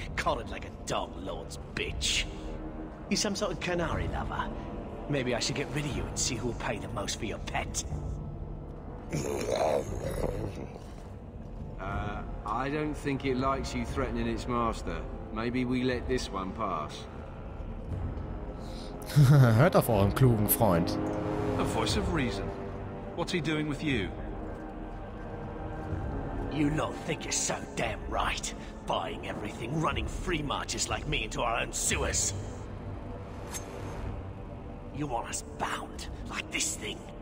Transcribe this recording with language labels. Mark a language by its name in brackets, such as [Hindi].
[English] Collared like a dog lord's bitch. You're some sort of canary lover. Maybe I should get rid of you and see who will pay the most for your pet. I don't think it likes you threatening its master. Maybe we let this one pass. [German] Hört auf euren klugen Freund. [English] A voice of reason. What's he doing with you? You lot think you're so damn right. Buying everything, running free marches like me into our own sewers. You want us bound, like this thing?